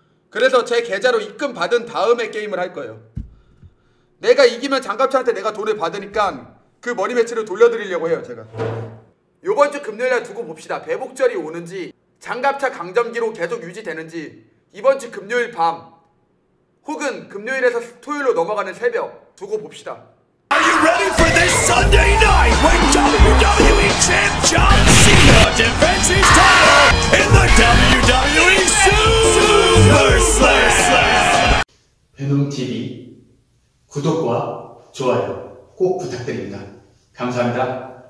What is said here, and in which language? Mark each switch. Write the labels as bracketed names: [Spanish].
[Korean] 그래서 제 계좌로 입금 받은 다음에 게임을 할 거예요. 내가 이기면 장갑차한테 내가 돈을 받으니까 그 머니매치를 돌려드리려고 해요. 제가 요번 주 금요일날 두고 봅시다. 배복절이 오는지 장갑차 강점기로 계속 유지되는지 이번 주 금요일 밤 혹은 금요일에서 토요일로 넘어가는 새벽 두고 봅시다. [English] Are you ready for this Sunday night when WWE Champ John Cena defends his title in the WWE Super Slam? [Korean] 배놈 TV 구독과 좋아요 꼭 부탁드립니다. 감사합니다.